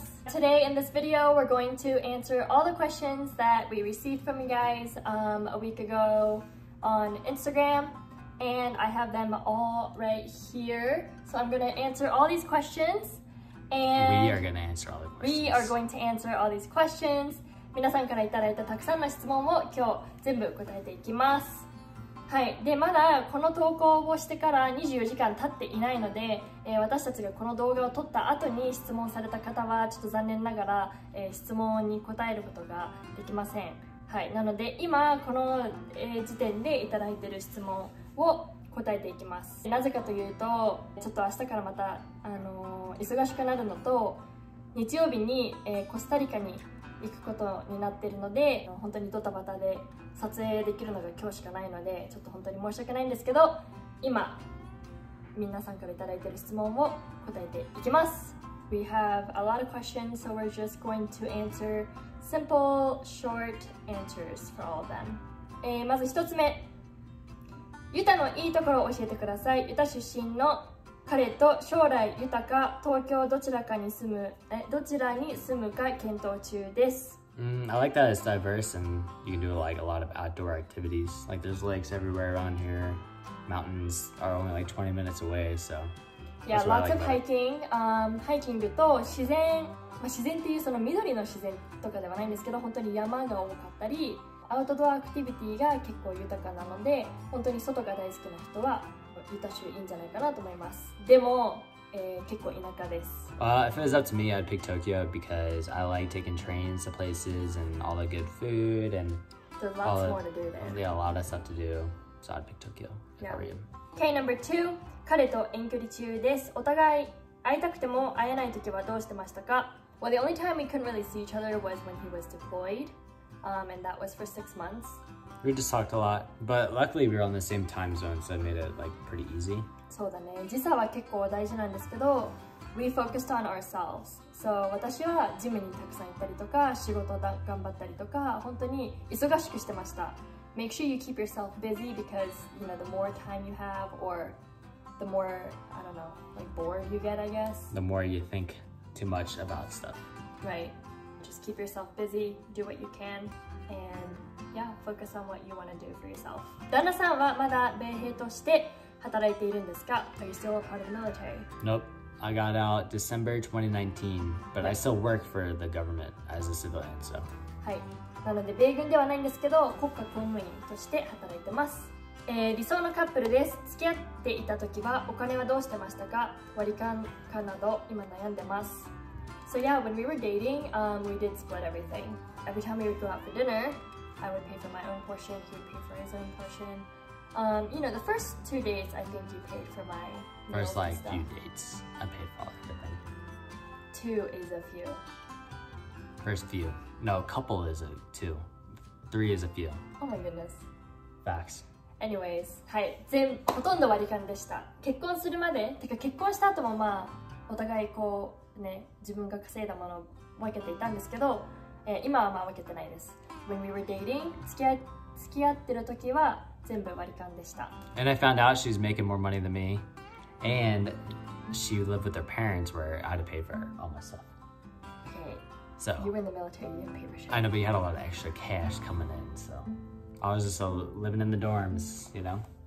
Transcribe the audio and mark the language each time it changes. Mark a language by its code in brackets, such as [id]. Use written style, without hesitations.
[en] Today in this video, we're going to answer all the questions that we received from you guys a week ago on Instagram. And I have them all right here. So I'm going to answer all these questions. And we are going to answer all the questions. We are going to answer all these questions. [ja] 皆さんからいただいたたくさんの質問を今日全部答えていきます。はい、でまだこの投稿をしてから24時間経っていないので、私たちがこの動画を撮った後に質問された方はちょっと残念ながら、質問に答えることができません、はい、なので今この、時点でいただいている質問を答えていきます。なぜかというとちょっと明日からまた、忙しくなるのと日曜日に、コスタリカに行くことになっているので本当にドタバタで撮影できるのが今日しかないのでちょっと本当に申し訳ないんですけど今皆さんからいただいている質問を答えていきます。 [en] We have a lot of questions, so we're just going to answer simple, short answers for all of them. [ja] まず一つ目、ユタのいいところを教えてください。ユタ出身の彼と将来ユタか東京どちらかに住む、どちらに住むか検討中です。 [en] I like that it's diverse and you can do like a lot of outdoor activities. Like there's lakes everywhere around here. Mountains are only like 20 minutes away, so. Yeah, lots、like、of hiking. [ja] Hiking と自然、まあ、自然っていうその緑の自然とかではないんですけど、本当に山が多かったり、アウトドアアクティビティが結構豊かなので、本当に外が大好きな人はユタ州いいんじゃないかなと思います。でも、結構田舎です。 [en] If it was up to me, I'd pick Tokyo because I like taking trains to places and all the good food and there's lots more to do there. Yeah, a lot of stuff to do. So I'd pick Tokyo. Yeah. How are you? Okay, number two. [ja] 彼と遠距離中です。お互い会いたくても会えない時はどうしてましたか? [en] Well, the only time we couldn't really see each other was when he was deployed, and that was for 6 months. We just talked a lot, but luckily we were on the same time zone, so it made it like pretty easy. [ja] そうだね、時差は結構大事なんですけど [en] We focused on ourselves. [ja] So 私はジムにたくさん行ったりとか仕事だ頑張ったりとか本当に忙しくしてました。 [en] Make sure you keep yourself busy because you know, the more time you have or the more, I don't know, like bored you get, I guess. The more you think too much about stuff. Right. Just keep yourself busy, do what you can and yeah, focus on what you want to do for yourself. [ja] 旦那さんはまだ米兵として働いているんですか? [en] Are you still a part of the military? Nope. I got out December 2019, but I still work for the government as a civilian, so. [ja] はい。なので米軍ではないんですけど、国家公務員として働いてます。理想のカップルです。付き合っていた時はお金はどうしてましたか? 割り勘かなど今悩んでます。 [en] So yeah, when we were dating, we did split everything. Every time we would go out for dinner, I would pay for my own portion, he would pay for his own portion. You know, the first 2 days, I think you paid for my meals. First, like, few dates, I paid for all of them. Two is a few. First few. No, couple is a two. Three is a few. Oh my goodness. Facts. [ja] Anyways, はい、全ほとんど割り勘でした。結婚するまで、てか結婚した後もまあ、お互いこう、ね、自分が稼いだものを分けていたんですけど、今はまあ分けてないです。 [en] When we were dating, [ja] 付き合ってる時は、全部割り勘でした。 [en] And I found out she's making more money than me. And she lived with her parents where I had to pay for all my stuff. Okay. So, you were in the military and you had to pay for shit. I know, but you had a lot of extra cash coming in. So I was just living in the dorms, you know?